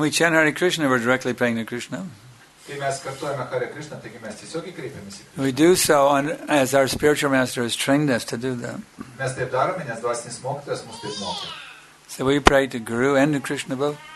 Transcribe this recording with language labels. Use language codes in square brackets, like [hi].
[en] We chant Hare Krishna, we're directly praying to Krishna. [lt] Kai mes kartuojame Hare Krishna, taigi mes tiesiog įkreipiamės į Krišną. [en] We do so on, as our spiritual master has trained us to do that. [lt] Mes taip darome, nes dvasinis mokytojas mus taip mokė. [en] So we pray to Guru and to Krishna both.